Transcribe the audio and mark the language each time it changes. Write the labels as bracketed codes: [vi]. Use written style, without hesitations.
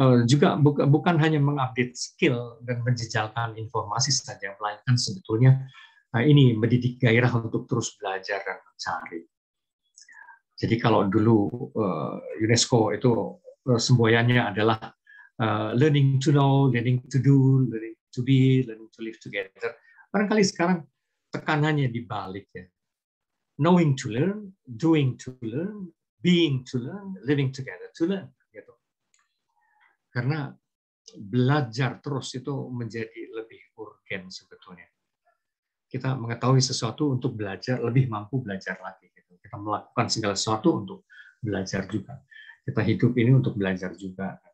[id] Juga bukan hanya mengupdate skill dan menjejalkan informasi saja, melainkan sebetulnya ini mendidik gairah untuk terus belajar dan mencari. Jadi kalau dulu UNESCO itu semboyannya adalah [en] learning to know, learning to do, learning to be, learning to live together. [id] Barangkali sekarang tekanannya dibalik ya. [en] Knowing to learn, doing to learn, being to learn, living together to learn. [id] Gitu. Karena belajar terus itu menjadi lebih urgen sebetulnya. Kita mengetahui sesuatu untuk belajar, lebih mampu belajar lagi. Gitu. Kita melakukan segala sesuatu untuk belajar juga. Kita hidup ini untuk belajar juga.